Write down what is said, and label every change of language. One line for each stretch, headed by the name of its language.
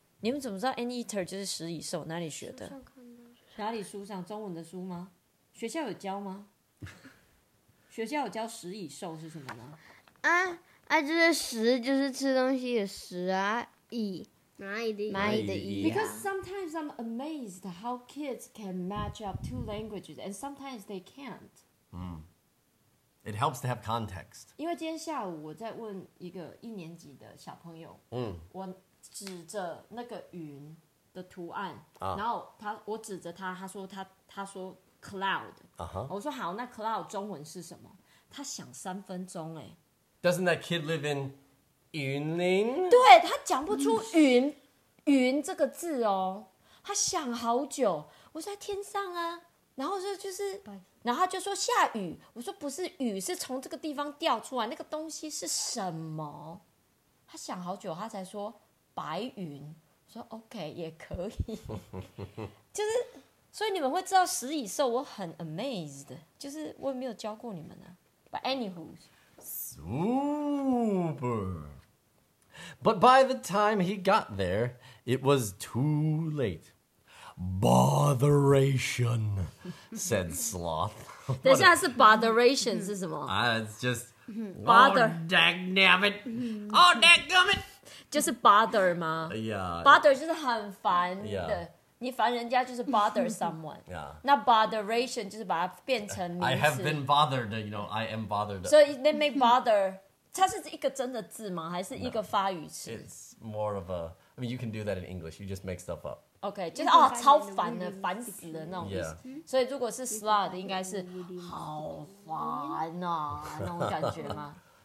Chinese: 你们怎么知道 anteater 就是蜥蜴兽？哪里学的？哪里书上中文的书吗？学校有教吗？学校有教食蚁兽是什么呢？啊，就是食，就是吃东西的食啊，蚁，蚂蚁的蚁。
English: Because sometimes I'm amazed how kids can match up two languages, and sometimes they can't. It helps to have context.
Chinese: 因为今天下午我在问一个一年级的小朋友，我指着那个云。的图案、然后他我指着他他说他说 cloud、我说好那 cloud 中文是什么他想三分钟、
English: Doesn't that kid live in 云林
Chinese: 对他讲不出云云这个字哦他想好久我说在天上啊然后说就是然后他就说下雨我说不是雨是从这个地方掉出来那个东西是什么他想好久他才说白云说 OK 也可以，就是所以你们会知道食蚁兽，我很 amazed， 就是我也没有教过你们啊。
English: But anywho, super. But by the time he got there, it was too late. Botheration, said Sloth.
Chinese: 等一下是 botheration 是什么？
English: It's just bother. Oh, dagnabbit! Oh, dagnabbit!
Chinese: 就是 bother 吗
English: yeah,
Chinese: bother 就是很烦的 yeah, 你烦人家就是 bother someone
English: yeah,
Chinese: 那 botheration 就是把它变成名词
English: I have been bothered you know, I am bothered So they make bother
Chinese: 它是一个真的字吗还是一个发语词
English: It's more of a I mean you can do that in English You just make stuff up
Chinese: OK 就是、超烦的烦死的那种意思、
English: yeah.
Chinese: 所以如果是 slut 应该是好烦啊那种感觉吗